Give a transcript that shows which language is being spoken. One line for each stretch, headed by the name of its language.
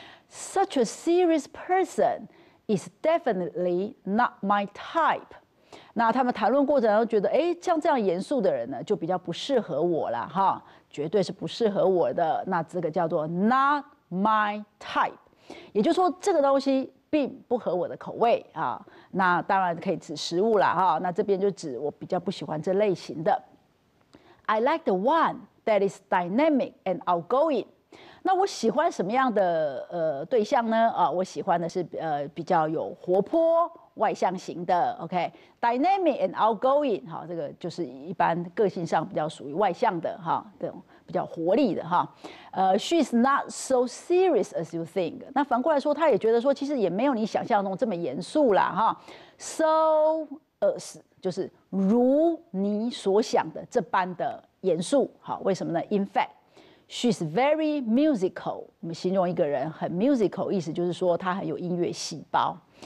English: Such a serious person is definitely not my type。
Chinese: 那他们谈论过程中觉得，哎，像这样严肃的人呢，就比较不适合我了，哈，绝对是不适合我的。那这个叫做
English: not my type。
Chinese: 也就是说，这个东西并不合我的口味啊。那当然可以指食物啦，哈。那这边就指我比较不喜欢这类型的。
English: I like the one that is dynamic and outgoing。
Chinese: 那我喜欢什么样的对象呢？啊，我喜欢的是比较有活泼、外向型的。 OK，
English: dynamic and outgoing，
Chinese: 哈，这个就是一般个性上比较属于外向的哈，这种。比较活力的哈，
English: she's not so serious as you think。
Chinese: 那反过来说，他也觉得说，其实也没有你想象中这么严肃啦哈。 So as 就是如你所想的这般的严肃，好，为什么呢 ？
English: In fact, she's very musical。
Chinese: 我们形容一个人很 musical， 意思就是说他很有音乐细胞。